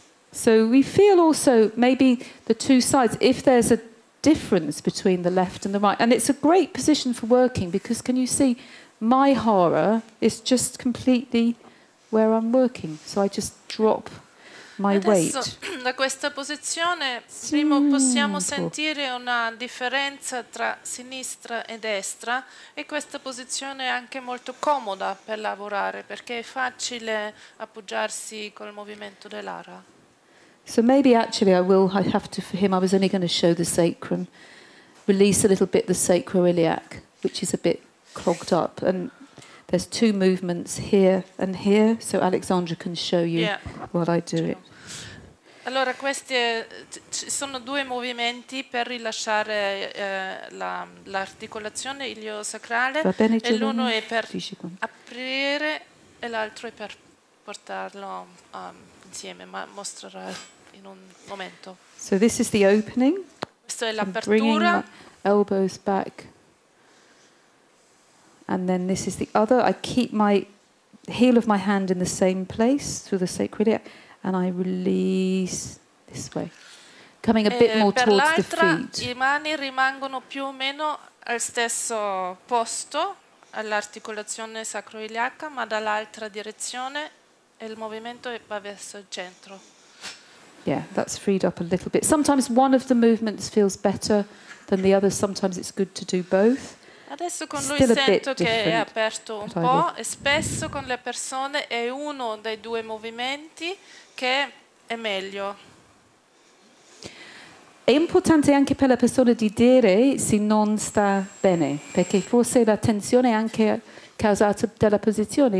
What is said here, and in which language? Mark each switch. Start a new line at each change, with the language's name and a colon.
English: So we feel also maybe the two sides, if there's a difference between the left and the right. And it's a great position for working because can you see my horror is just completely where I'm working. So I just drop my
Italian: adesso,
English: weight.
Italian: Da questa posizione primo possiamo sentire una differenza tra sinistra e destra e questa posizione è anche molto comoda per lavorare perché è facile appoggiarsi col movimento dell'ara.
English: So maybe actually I have to for him. I was only going to show the sacrum, release a little bit the sacroiliac, which is a bit clogged up. And there's two movements here and here. So Alexandra can show you what I do it.
Italian: Allora, questi sono due movimenti per rilasciare l'articolazione iliosacrale. Va bene, e l'uno è per aprire e l'altro è per portarlo insieme, ma mostrerò in un momento.
English: So this is the opening.
Italian: Questo è l'apertura.
English: I'm bringing my elbows back. And then this is the other. I keep my heel of my hand in the same place through the sacroiliac and I release this way. Coming a bit more towards the feet.
Italian: Per l'altra, i mani rimangono più o meno al stesso posto all'articolazione sacroiliaca, ma dall'altra direzione e il movimento va verso il centro.
English: Yeah, that's freed up a little bit. Sometimes one of the movements feels better than the other. Sometimes it's good to do both.
Italian: Adesso con lui sento che è aperto un po' e spesso con le persone è uno dei due movimenti che è meglio. È importante anche per la persona di dire se non sta bene, perché forse la tensione è anche causata dalla posizione.